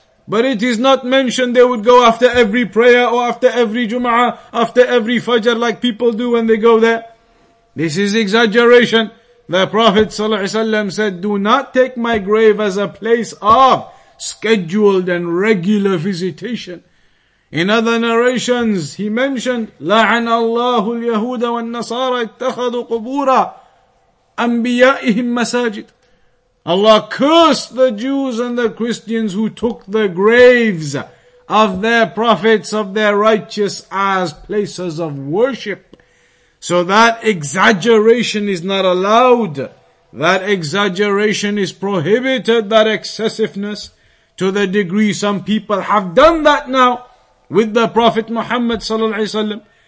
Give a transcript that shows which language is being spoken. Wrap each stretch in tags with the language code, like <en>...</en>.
<en>But it is not mentioned they would go after every prayer or after every Jum'ah, after every Fajr like people do when they go there. This is exaggeration. The Prophet sallallahu alaihi wasallam said, do not take my grave as a place of scheduled and regular visitation. In other narrations, he mentioned,</en> <ar>لَعَنَ اللَّهُ الْيَهُودَ وَالنَّصَارَ اتَّخَذُوا قُبُورَ أَنْبِيَائِهِمْ مَسَاجِدٍ.</ar> <en>Allah cursed the Jews and the Christians who took the graves of their prophets, of their righteous, as places of worship. So that exaggeration is not allowed. That exaggeration is prohibited, that excessiveness, to the degree some people have done that now with the Prophet Muhammad sallallahu alaihi wasallam.</en>